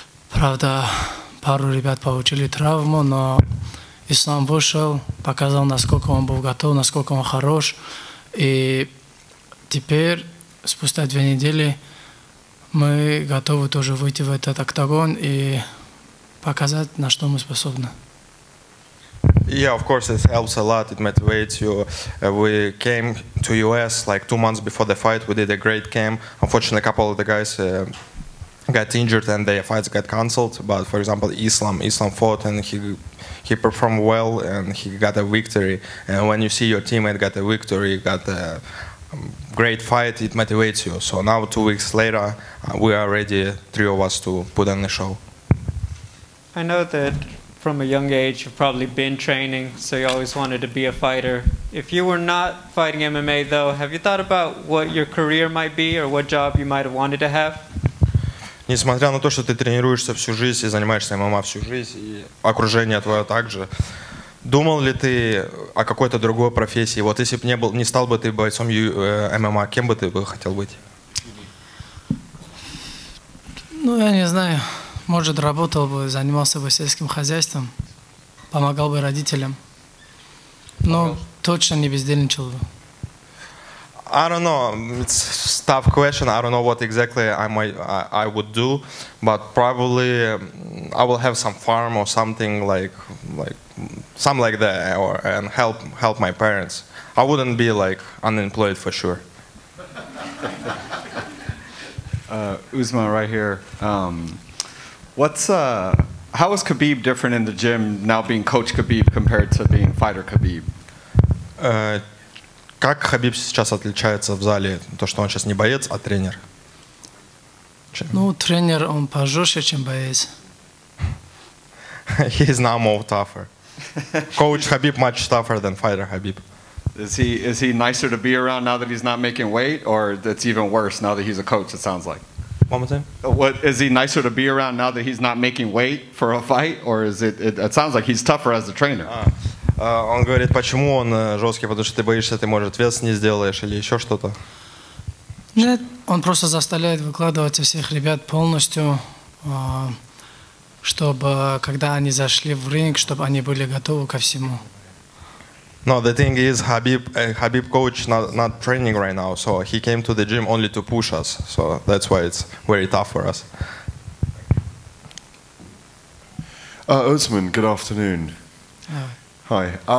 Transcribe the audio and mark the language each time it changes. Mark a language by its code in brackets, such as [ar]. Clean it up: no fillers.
[ru] Правда, пару ребят получили травму, но Ислам вышел, показал, насколько он был готов, насколько он хорош. И теперь, спустя две недели, мы готовы тоже выйти в этот октагон и показать, на что мы способны. [en] Yeah, of course, it helps a lot. It motivates you. We came to US like 2 months before the fight. We did a great camp. Unfortunately, a couple of the guys got injured and their fights got canceled. But for example, Islam fought and he performed well and he got a victory. And when you see your teammate got a victory, got a great fight, it motivates you. So now, 2 weeks later, we are ready, three of us, to put on the show. I know that from a young age, you've probably been training, so you always wanted to be a fighter. If you were not fighting MMA, though, have you thought about what your career might be or what job you might have wanted to have? [ru] Несмотря на то, что ты тренируешься всю жизнь и занимаешься ММА всю жизнь, и окружение твое также, думал ли ты о какой-то другой профессии? Вот если бы не стал бы ты бойцом ММА, кем бы ты бы хотел быть? Ну, я не знаю. Может, работал бы, занимался бы сельским хозяйством, помогал бы родителям, но точно не бездельничал бы. [en] I don't know. It's a tough question. I don't know what exactly I would do, but probably I will have some farm or something like that, or and help my parents. I wouldn't be like unemployed for sure. Usman, right here. How is Khabib different in the gym now, being Coach Khabib compared to being Fighter Khabib? [ru] Как Хабиб сейчас отличается в зале? То, что он сейчас не боец, а тренер. Ну, тренер, он пожестче, чем боец. [en] He's now more tougher. Coach Хабиб much tougher than fighter Хабиб. Is he nicer to be around now that he's not making weight, or that's even worse now that he's a coach, it sounds like? One more time. What, is he nicer to be around now that he's not making weight for a fight, or is it sounds like he's tougher as a trainer. [ru] Он говорит, почему он жесткий, потому что ты боишься, ты, может, вес не сделаешь или еще что-то? Нет, он просто заставляет выкладывать всех ребят полностью, чтобы, когда они зашли в ринг, чтобы они были готовы ко всему. [en] No, the thing is, Хабиб coach not training right now, so he came to the gym only to push us, so that's why it's very tough for us. Usman, good afternoon. Hi.